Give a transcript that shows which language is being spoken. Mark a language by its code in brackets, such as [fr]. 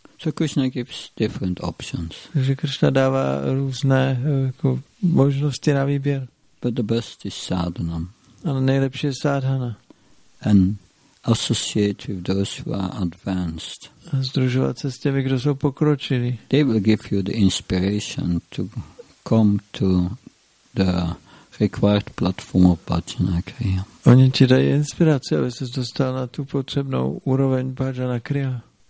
[en] So Krishna gives different options. [cs] Takže Krishna dává různé možnosti na výběr. [en] But the best is sadhana. [cs] Ale nejlepší je sadhana. [en] And associate with those who are advanced. [cs] Združovat se s těmi, kdo jsou pokročili. [en] They will give you the inspiration to come to the required platform of Bhajana Kriya. [cs] Oni ti dají inspiraci, aby ses dostal na tu potřebnou úroveň Bhajana Kriya.